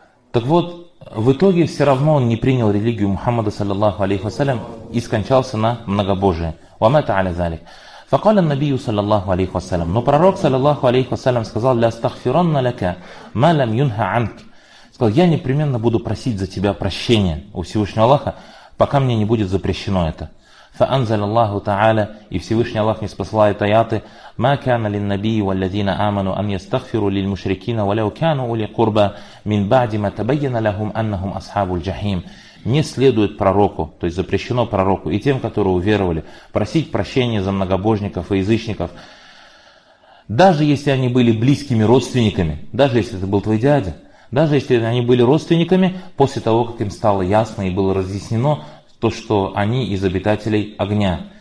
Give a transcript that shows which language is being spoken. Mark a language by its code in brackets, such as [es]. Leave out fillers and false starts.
[ru] Так вот, в итоге все равно он не принял религию Мухаммада, саллиллаху алейхи вассалям, и скончался на многобожие. [ar] Вамата аля залик. Факалян набию, [ru] саллиллаху алейхи вассалям. Но пророк, саллиллаху алейхи вассалям, сказал: [ar] «Ля астахфиранна ляка ма лям юнха анк». [ru] Сказал: «Я непременно буду просить за тебя прощения у Всевышнего Аллаха, пока мне не будет запрещено это». [ar] فأنزل الله تعالى [ru] и Всевышний Аллах ниспослает аяты: [ar] ما كان للنبي والذين آمنوا أن يستغفروا للمشركين ولو كانوا أولي قربى من بعد ما تبين لهم أنهم أصحاب الجحيم. [ru] Не следует пророку, то есть запрещено пророку и тем, которые уверовали, просить прощения за многобожников и язычников, даже если они были близкими родственниками, даже если это был твой дядя, даже если они были родственниками, после того, как им стало ясно и было разъяснено то, что они из обитателей огня.